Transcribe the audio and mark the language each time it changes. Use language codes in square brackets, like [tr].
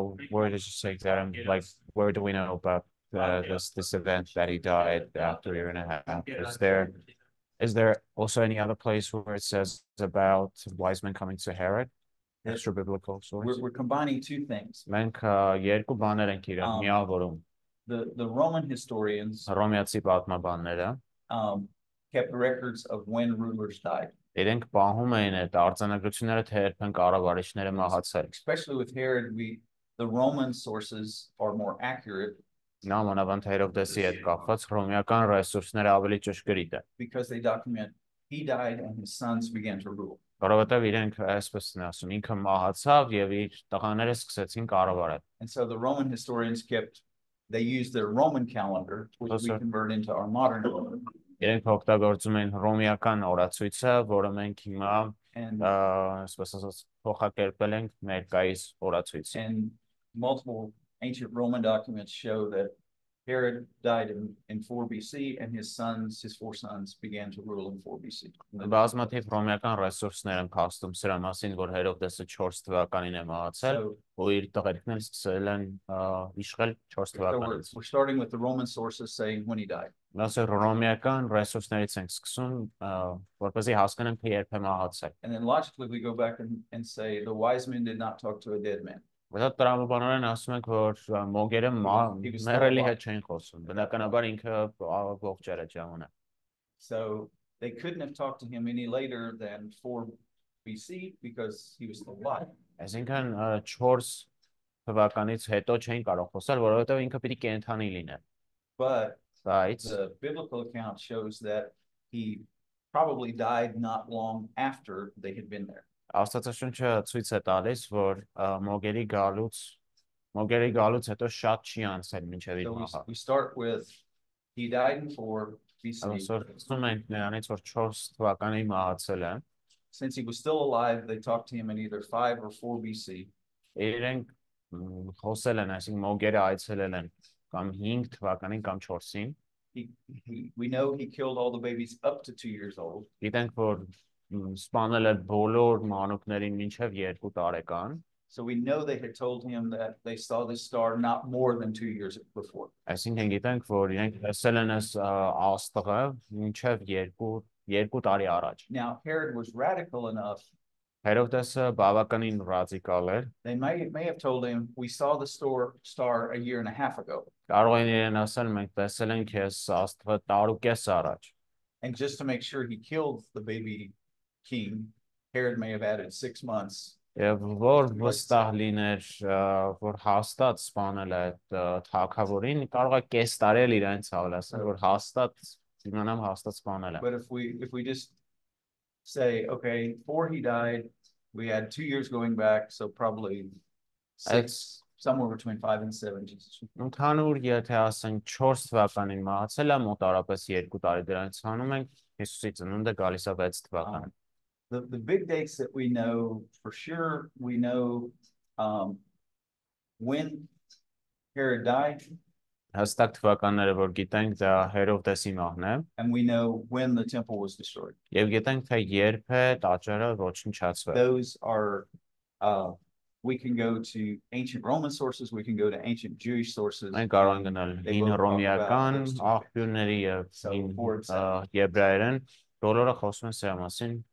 [en] Where does it say that? Like, where do we know about this event that he died after a year and a half? Is there also any other place where it says about wise men coming to Herod? Extra biblical source. We're combining two things. [hy] Մենք երկու բաներ ենք իրար միավորում. [en] The Roman historians [hy] Հռոմեացի պատմաբանները [en] kept records of when rulers died. [hy] Իրենք պահում էին այդ արձանագրությունները, թե երբ են կառավարիչները մահացել։ [en] Especially with Herod, the Roman sources are more accurate. [hy] Նամանավանդ Հերոդեսի հետ կապված հռոմեական ռեսուրսները ավելի ճշգրիտ են։ [en] Because they document he died and his sons began to rule. [hy] Որովհետև իրենք այսպես են ասում, ինքը մահացավ եւ իր տղաները սկսեցին կառավարել։ [en] And so the Roman historians kept they used their Roman calendar which we convert into our modern calendar. [hy] Իրենք օգտագործում էին հռոմեական օրացույցը, որը մենք հիմա այսպես ասած փոխակերպել ենք ներկայիս օրացույցը։ [en] And multiple ancient Roman documents show that Herod died in 4 BC and his four sons began to rule in 4 BC. [hy] Բազմաթիվ հռոմեական ռեսուրսներ են փաստում սրա մասին, որ Հերոդեսը 4 թվականին է մահացել, ու իր տղերքն էլ սկսել են իշխել 4 թվականից։ [en] We're starting with the Roman sources saying when he died. [hy] Մենք հռոմեական ռեսուրսներից ենք սկսում, որպեսզի հասկանանք, թե երբ է մահացել։ [en] And then logically we go back and say the wise men did not talk to a dead man. [hy] Մենք տրամաբանորեն ասում ենք, որ մոգերը մեռելի հետ չեն խոսում, բնականաբար ինքը ողջ էր այդ ժամանակ։ [en] So they couldn't have talked to him any later than 4 BC because he was still alive. [hy] Այսինքն 4 թվականից հետո չէին կարող խոսել, որովհետև ինքը պիտի կենթանի լիներ։ [en] But Sites. The biblical account shows that he probably died not long after they had been there. [hy] Աստվածաշունչը ցույց է տալիս, որ մոգերի գալուց հետո շատ չի անցել մինչև իր մահը։ [en] We start with he died in 4 BC. [hy] Ասում են նրանից, որ 4 թվականին մահացել է։ [en] Since he was still alive, they talked to him in either 5 or 4 BC. [hy] Իրենք խոսել են, այսինքն մոգերը այցելել են կամ 5 թվականին կամ 4-ին։ [en] We know he killed all the babies up to 2 years old. [hy] Իրենք որ սպանել էր բոլոր մանուկներին մինչև 2 տարեկան։ [en] So we know they had told him that they saw this star not more than 2 years before. [hy] Այսինքն գիտենք, որ իրենք լսել են այս աստղը մինչև 2 տարի առաջ։ [en] Now Herod was radical enough. [hy] Հերոդեսը բավականին ռադիկալ էր։ [en] They may have told him we saw the star a year and a half ago. [hy] Կարող են իրեն ասել, մենք տեսել ենք այս աստղը տարուկես առաջ։ [en] And just to make sure he killed the baby king, Herod may have added 6 months. [hy] Եվ որ վստահ լիներ, որ հաստատ սպանել է այդ թագավորին, կարող է կես տարի էլ իրեն ցավ լասել, որ հաստատ իմանամ հաստատ սպանել է։ [en] But if we just say okay, before he died, we had 2 years going back, so probably 6 somewhere between 5 and 7 Jesus. [hy] Ընդհանուր, եթե ասենք 4 թվականին մահացել է, մոտարապես 2 տարի դրանից անում ենք, Հիսուսի ծնունդը գալիս է 6 թվականին։ [en] The big dates that we know for sure, we know when Herod died. [hy] Հստակ թվականները, որ գիտենք, դա Հերոդեսի մահն է։ [en] And we know when the temple was destroyed. [hy] Եվ գիտենք, թե երբ է տաճարը ոչնչացվել։ [en] Those are we can go to ancient Roman sources, we can go to ancient Jewish sources. [hy] Մենք կարող ենք գնալ հին հռոմեական աղբյուրների եւ հին եբրայերեն, բոլորը խոսում են սրա մասին։